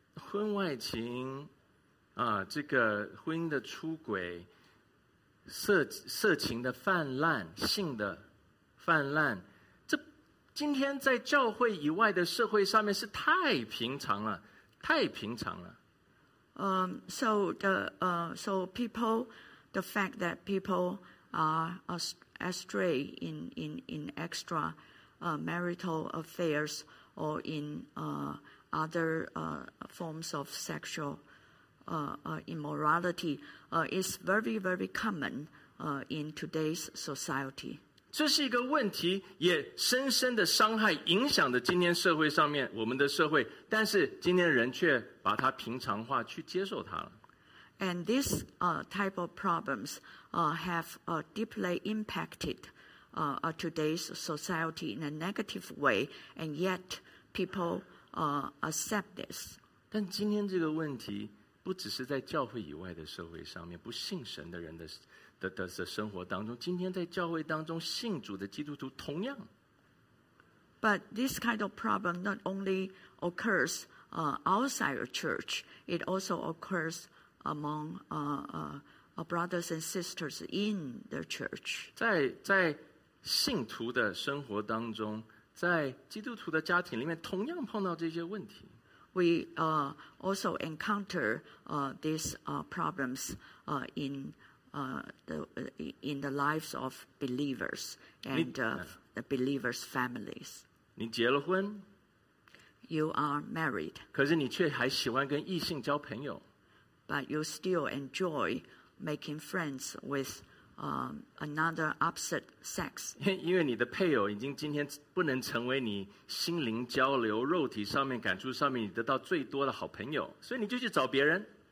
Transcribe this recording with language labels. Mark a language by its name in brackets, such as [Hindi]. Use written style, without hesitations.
[Chinese] 婚外情啊，这个婚姻的出轨。色情的泛滥，性的泛滥，这今天在教会以外的社会上面是太平常了，太平常了。 [English] The fact that people are astray in extra marital affairs or in other forms of sexual immorality is very, very common in today's society. [Chinese] 这是一个问题，也深深的伤害、影响的今天社会上面我们的社会。但是今天人却把它平常化，去接受它了。 [English] And this type of problems have deeply impacted today's society in a negative way, and yet people accept this. [Chinese] 但今天这个问题。不只是在教会以外的社会上面，不信神的人 的生活当中，今天在教会当中信主的基督徒同样。 [English] But this kind of problem not only occurs outside of church, it also occurs among brothers and sisters in the church. [Chinese] 在信徒的生活当中，在基督徒的家庭里面，同样碰到这些问题。 [English] We also encounter these problems in the lives of believers and the believers' families. [Chinese] 你结了婚， [English] you are married. [Chinese] 可是你却还喜欢跟异性交朋友， [English] but you still enjoy making friends with another opposite sex. [Chinese] 因为你的配偶已经今天不能成为你心灵交流、肉体上面感触上面你得到最多的好朋友，所以你就去找别人。